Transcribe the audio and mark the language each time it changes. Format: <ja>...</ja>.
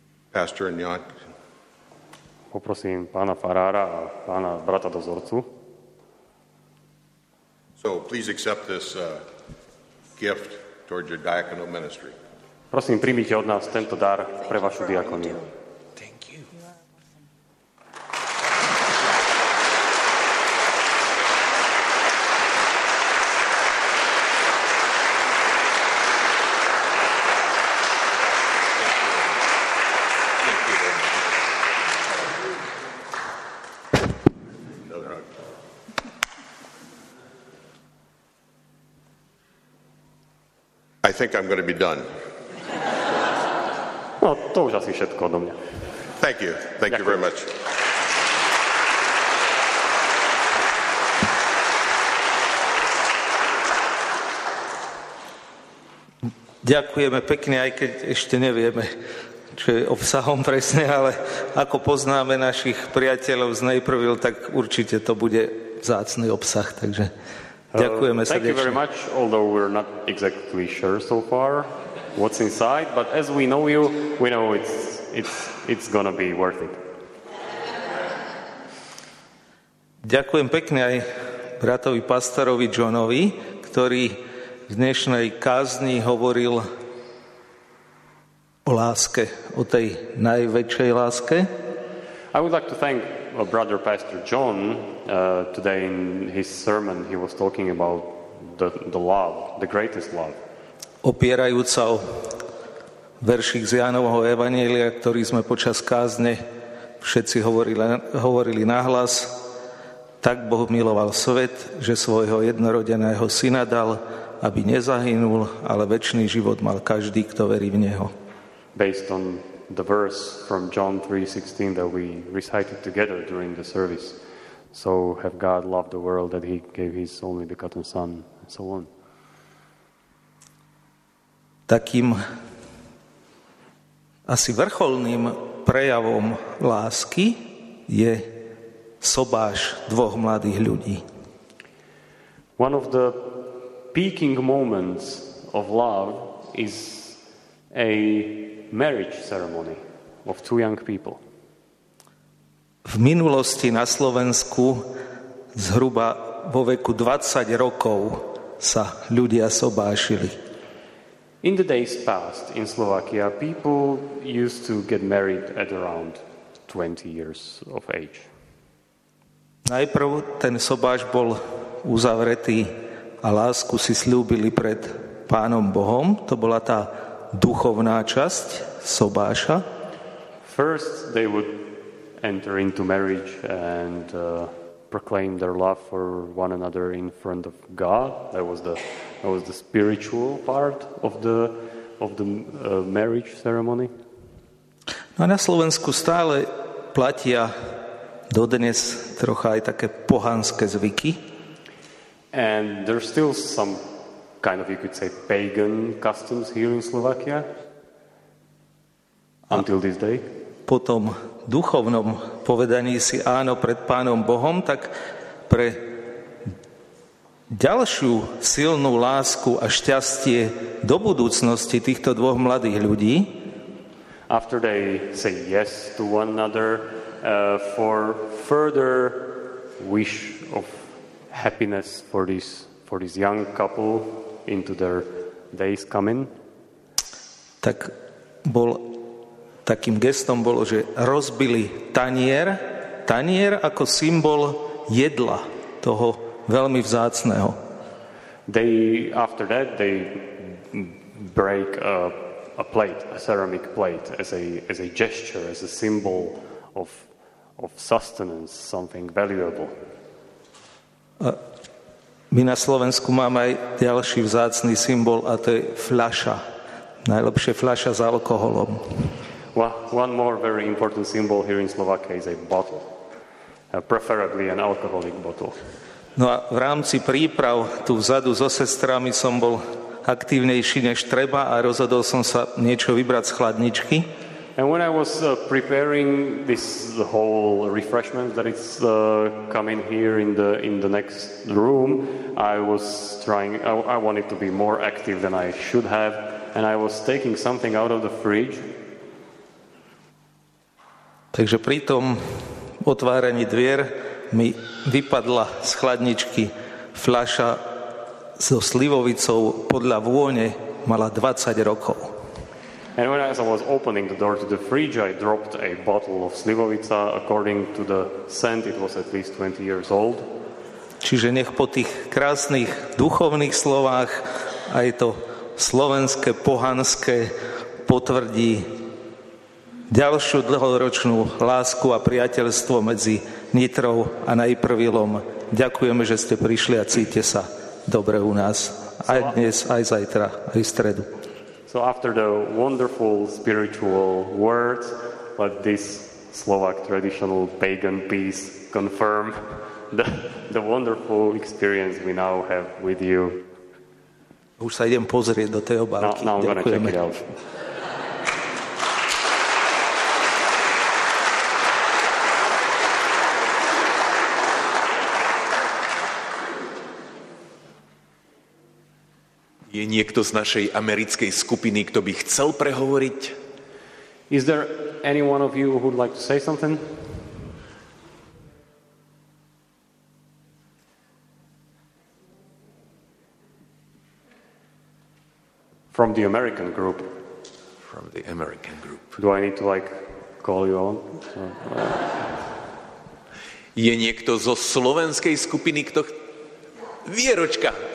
<en>Pastor and Jan.</en> <sk>Poprosím pána farára a pána brata dozorcu.</sk> <en>So, please accept this gift toward your diaconal ministry.</en> <sk>Prosím, príjmite od nás tento dar pre vašu diakoniu.</sk> <en>Thank you. You are awesome. I think I'm going to be done.</en> <sk>No, to už asi všetko odo mňa.</sk> <en>Thank you. Thank you very much.</en> <sk>Ďakujeme pekne, aj keď ešte nevieme, čo je obsahom presne, ale ako poznáme našich priateľov z Naperville, tak určite to bude vzácny obsah, takže ďakujeme srdečne.</sk> <en>Thank you very much, although we're not exactly sure so far what's inside, but as we know you, we know it's gonna be worth it.</en> <sk>Ďakujem pekne aj bratovi pastorovi Johnovi, ktorý v dnešnej kázni hovoril o láske, o tej najväčšej láske.</sk> <en>I would like to thank brother pastor John today in his sermon he was talking about the love, the greatest love.</en> <sk>Opierajúc sa o veršik z Jánovho evanjelia, ktorý sme počas kázne všetci hovorili nahlas, tak Boh miloval svet, že svojho jednorodeného syna dal, aby nezahynul, ale večný život mal každý, kto verí v neho.</sk> <en>Based on the verse from John 3:16 that we recited together during the service, so have God loved the world that he gave his only begotten son, and so on.</en> <sk>Takým asi vrcholným prejavom lásky je sobáš dvoch mladých ľudí.</sk> <en>One of the peaking moments of love is a marriage ceremony of two young people.</en> <sk>V minulosti na Slovensku zhruba vo veku 20 rokov sa ľudia sobášili.</sk> <en>In the days past in Slovakia people used to get married at around 20 years of age.</en> <sk>Najprv ten sobáš bol uzavretý a lásku si sľúbili pred Pánom Bohom, to bola tá duchovná časť sobáša.</sk> <en>First they would enter into marriage and proclaim their love for one another in front of God. That was the spiritual part of the marriage ceremony.</en> <sk>No a na Slovensku stále platia dodnes trocha aj také pohanské zvyky.</sk> <en>And there's still some kind of, you could say, pagan customs here in Slovakia until this day.</en> <sk>Po tom duchovnom povedaní si áno pred Pánom Bohom, tak pre ďalšiu silnú lásku a šťastie do budúcnosti týchto dvoch mladých ľudí.</sk> <en>After they say yes to one another for further wish of happiness for this young couple into their days coming.</en> <sk>Tak bol takým gestom bolo, že rozbili tanier, tanier ako symbol jedla toho veľmi vzácneho.</sk> <en>They after that they break a plate, a ceramic plate as a gesture, as a symbol of sustenance, something valuable.</en> <sk>My na Slovensku máme aj ďalší vzácny symbol a to je fľaša. Najlepšie fľaša s alkoholom.</sk> <en>Well, one more very important symbol here in Slovakia is a bottle. Preferably an alcoholic bottle.</en> <sk>No a v rámci príprav tu vzadu so sestrami som bol aktívnejší než treba a rozhodol som sa niečo vybrať z chladničky.</sk> <en>And when I was preparing this whole refreshment that is coming here in the next room, I wanted to be more active than I should have, and I was taking something out of the fridge.</en> <sk>Takže pri tom otváraní dvier mi vypadla z chladničky fľaša so slivovicou, podľa vône mala 20 rokov.</sk> <en>And when I was opening the door to the fridge, I dropped a bottle of slivovica. According to the scent, it was at least 20 years old.</en> <sk>Čiže nech po tých krásnych duchovných slovách aj to slovenské, pohanské potvrdí ďalšiu dlhoročnú lásku a priateľstvo medzi Nitrou a Naperville. Ďakujeme, že ste prišli a cíte sa dobre u nás aj dnes, aj zajtra, aj v stredu.</sk> <en>So after the wonderful spiritual words, let this Slovak traditional pagan peace confirm the wonderful experience we now have with you.</en> <sk>Už sa idem pozrieť do tej obálky.</sk> <en>Now I'm going to check it out.</en> <sk>Je niekto z našej americkej skupiny, kto by chcel prehovoriť?</sk> <en>Is there any one of you who would like to say something? From the American group. From the American group. Do I need to like call you on?</en> <sk>Je niekto zo slovenskej skupiny, kto Vieročka?</sk>